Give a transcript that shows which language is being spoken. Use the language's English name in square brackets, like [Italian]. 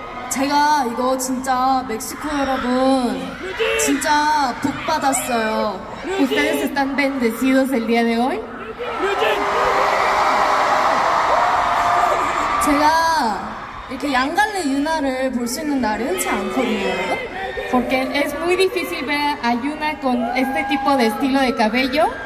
[Korean] 제가 이거 진짜 멕시코 여러분 진짜 복 받았어요. [Spanish] Ustedes están bendecidos el día de hoy. [Korean] 제가 이렇게 양갈래 유나를 볼 수 있는 날이 흔치 않거든요. [Spanish] Porque es muy difícil ver a Yuna con este tipo de estilo de cabello.